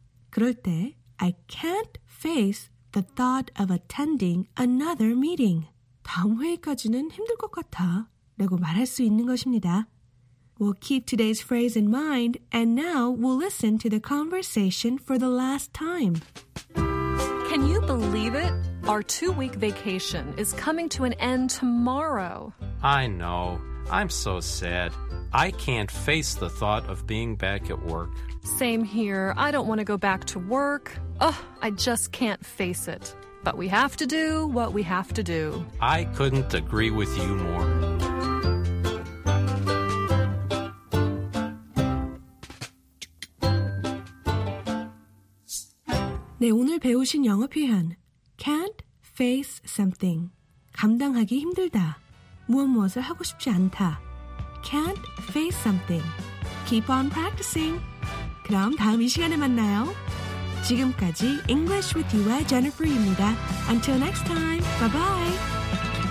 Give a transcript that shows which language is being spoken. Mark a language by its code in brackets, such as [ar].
[ko] 그럴 때 [en] I can't face the thought of attending another meeting. [ko] 다음 회의까지는 힘들 것 같아 라고 말할 수 있는 것입니다. [en] We'll keep today's phrase in mind and now we'll listen to the conversation for the last time. Can you believe it? Our two-week vacation is coming to an end tomorrow. I know. I'm so sad. I can't face the thought of being back at work. Same here. I don't want to go back to work. Ugh, I just can't face it. But we have to do what we have to do. I couldn't agree with you more. [ko] 네, 오늘 배우신 영어 표현. Can't face something. 감당하기 힘들다. 무엇무엇을 하고 싶지 않다. [en] Can't face something. Keep on practicing. [ko] 그럼 다음 이 시간에 만나요. 지금까지 English with You와 Jennifer입니다. [en] Until next time. Bye-bye.